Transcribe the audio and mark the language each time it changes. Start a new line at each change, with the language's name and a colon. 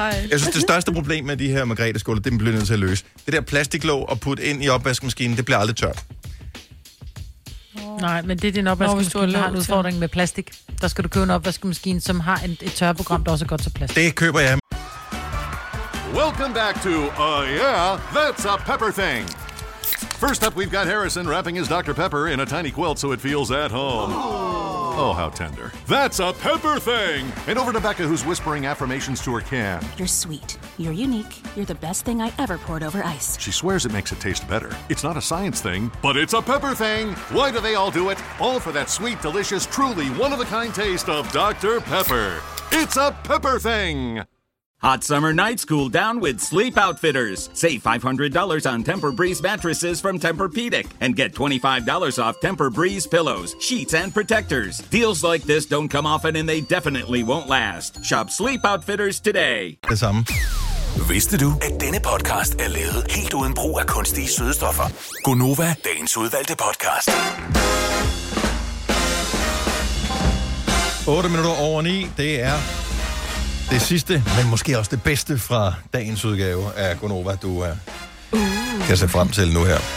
Danish: Jeg synes, det største problem med de her Margrethe-skåler, det bliver nødt til at løse. Det der plastiklåg at putte ind i opvaskemaskinen, det bliver aldrig tørt. Nej, men det er din opvaskemaskine, der har en udfordring med plastik. Der skal du købe en opvaskemaskine, som har et tørreprogram, der også er godt til plastik. Det køber jeg.
English: Welcome back to That's a Pepper Thing. First up, we've got Harrison wrapping his Dr. Pepper in a tiny quilt so it feels at home. Oh, how tender. That's a Pepper Thing. And over to Becca, who's whispering affirmations to her can. You're sweet. You're unique. You're the best thing I ever poured over ice. She swears it makes it taste better. It's not a science thing, but it's a Pepper Thing. Why do they all do it? All for that sweet, delicious, truly one-of-a-kind taste of Dr. Pepper. It's a Pepper Thing. Hot summer nights cool down with Sleep Outfitters. Save $500 on Tempur-Breeze mattresses from Tempur-Pedic and get $25 off Tempur-Breeze pillows, sheets, and protectors. Deals like this don't come often and they definitely won't last. Shop Sleep Outfitters today.
Danish: Vidste du, at denne podcast er lavet helt uden brug af kunstige sødestoffer? Gonova, dagens udvalgte podcast. 8 minutter over 9, det er... Det sidste, men måske også det bedste fra dagens udgave af Gonova, du kan se frem til nu her.